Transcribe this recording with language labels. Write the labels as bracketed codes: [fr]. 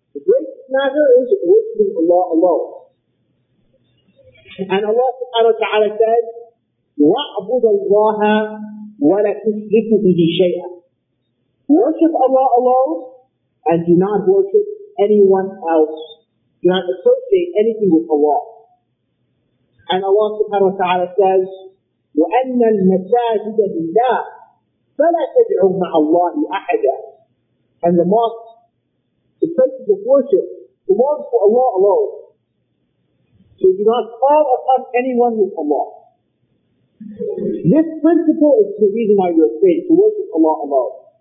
[en] The greatest matter is worshiping Allah alone. And Allah subhanahu wa ta'ala says, [ar] وَعْبُدَ اللَّهَ وَلَا تُشْرِكُ بِهِ شَيْئًا. [en] Worship Allah alone, and do not worship anyone else. Do not associate anything with Allah. And Allah subhanahu wa ta'ala says, [ar] وَأَنَّ الْمَسَاجِدَ لِلَّهِ فَلَا تَدْعُوا مَعَ اللَّهِ أَحَدًا. [en] And the mosque, the places of worship, belongs to Allah alone. So do not call upon anyone with Allah. This principle is the reason why you are saved, to worship Allah alone.